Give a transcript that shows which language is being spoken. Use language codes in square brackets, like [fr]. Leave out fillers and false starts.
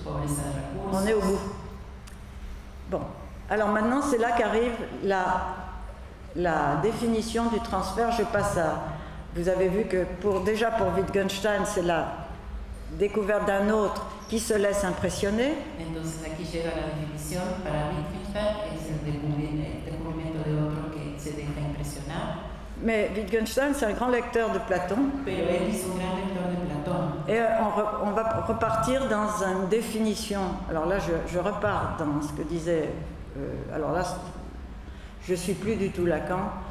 [fr] On est au bout. Bon, alors maintenant c'est là qu'arrive la définition du transfert. Je passe à. Vous avez vu que pour Wittgenstein, c'est la découverte d'un autre qui se laisse impressionner. [es] Entonces aquí llega la definición para Wittgenstein, es el descubrimiento de otro que se deja impresionar. [fr] Mais Wittgenstein, c'est un grand lecteur de Platon. Et on va repartir dans une définition. Alors là, je repars dans ce que disait... alors là, je ne suis plus du tout Lacan.